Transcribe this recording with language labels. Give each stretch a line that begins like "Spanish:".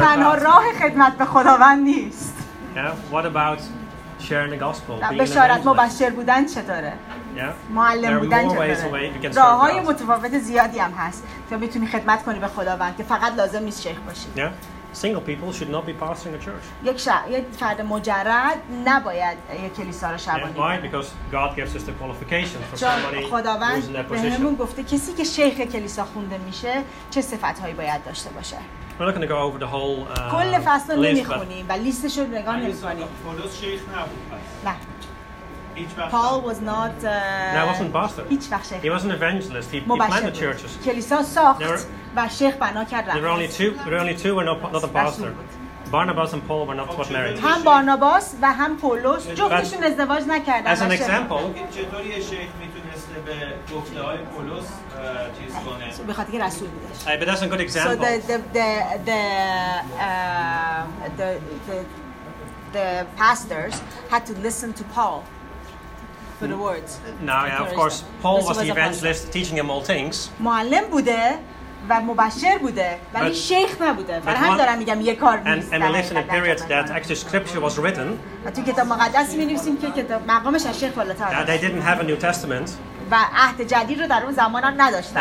Persian: تنها راه خدمت به خداوند نیست.
English: Yeah. What about sharing the gospel?
Persian: بشارت مبشر بودن چطوره؟
English: Yeah.
Persian: معلم بودن چطوره؟ راه های متفاوت زیادی هم هست تا بتونی خدمت کنی به خداوند که فقط لازم نیست شیخ باشی.
English: Yeah. Single people should not be pastoring a church.
Persian: یک فرد مجرد نباید یک کلیسا رو شبانی کنه.
English: Why? Because God gives us the qualifications for somebody who's in that position.
Persian: بهمون گفته کسی که شیخ کلیسا خونده میشه چه صفت هایی باید داشته باشه.
English: We're not going to go over the whole
Persian: کل فصل
English: list,
Persian: نمیخونیم و لیستش رو نگاه نمیکنیم. پولس شیخ نبود. نه.
English: Paul was not. No, he wasn't a pastor. He was an evangelist. He planned the churches.
Persian: کلیسا ساخت و شیخ بنا کرد.
English: There were only two. Were not a pastor. Barnabas and Paul were not what married.
Persian: هم بارناباس و هم پولس جفتشون ازدواج نکردند.
English: As an example.
Persian: چطوری شیخ میتونست به گفته‌های پولس چیز کنه؟ به خاطر اینکه رسول بودش.
English: Hey, but that's a good example. So the pastors had to listen to Paul. For the words. No, yeah, of course. Paul was the evangelist, teaching him all things.
Persian: معلم بوده و مبشر بوده ولی شیخ نبوده. برای همین دارم میگم یک کار نیست.
English: And lived in a period that actually scripture was written.
Persian: و توی کتاب مقدس می‌نویسیم که کتاب مقامش از شیخ بالاتر.
English: They didn't have a New Testament.
Persian: و عهد جدید رو در اون زمان هم نداشتن.